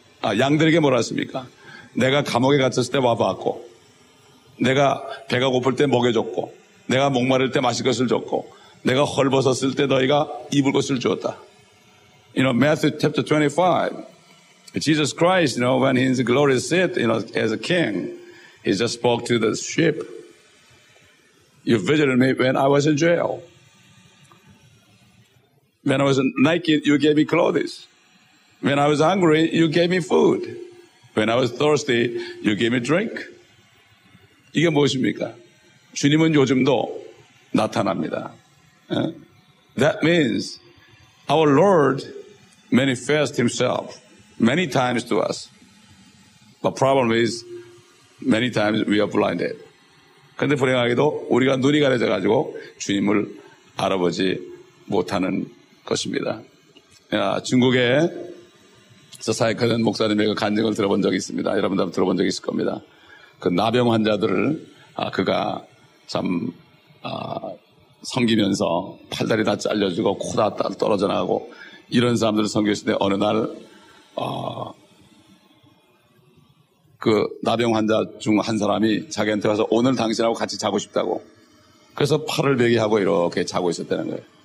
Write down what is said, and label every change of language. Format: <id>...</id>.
<ko>양들에게 뭐라 그랬습니까? 내가 감옥에 갇혔을 때 와봤고 내가 배가 고플 때 먹여줬고 내가 목마를 때 마실 것을 줬고 내가 헐벗었을 때 너희가 입을 것을 주었다.</ko> <en>You know, Matthew chapter 25. Jesus Christ, you know, when he's in glory seat, you know, as a king, he just spoke to the sheep. You visited me when I was in jail. When I was naked, you gave me clothes. When I was hungry, you gave me food. When I was thirsty, you gave me drink.</en> <ko>이게 무엇입니까? 주님은 요즘도 나타납니다.</ko> <en>That means our Lord manifests himself many times to us. The problem is many times we are blinded.</en> <ko>근데 불행하게도 우리가 눈이 가려져 가지고 주님을 알아보지 못하는 것입니다. 중국에 사역하는 목사님의 그 간증을 들어본 적이 있습니다. 여러분도 들어본 적이 있을 겁니다. 그 나병 환자들을 그가 참 섬기면서 팔다리 다 잘려주고 코 다 떨어져 나가고 이런 사람들을 섬겼는데 어느 날 그 나병 환자 중 한 사람이 자기한테 와서 오늘 당신하고 같이 자고 싶다고 그래서 팔을 베개하고 이렇게 자고 있었다는 거예요.</ko>